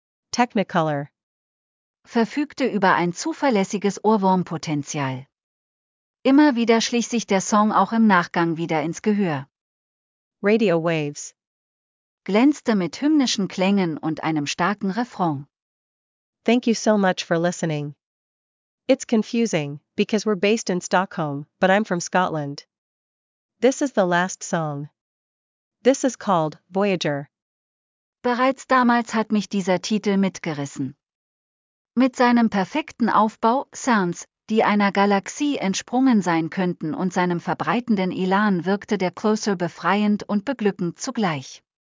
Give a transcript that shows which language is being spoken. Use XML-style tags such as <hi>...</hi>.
<en>Technicolor.</en> <de>Verfügte über ein zuverlässiges Ohrwurmpotenzial. Immer wieder schlich sich der Song auch im Nachgang wieder ins Gehör.</de> <en>Radio Waves.</en> <de>Glänzte mit hymnischen Klängen und einem starken Refrain.</de> <en>Thank you so much for listening. It's confusing, because we're based in Stockholm, but I'm from Scotland. This is the last song. This is called Voyager.</en> <de>Bereits damals hat mich dieser Titel mitgerissen. Mit seinem perfekten Aufbau, Sounds, die einer Galaxie entsprungen sein könnten, und seinem verbreitenden Elan wirkte der Closer befreiend und beglückend zugleich.</de>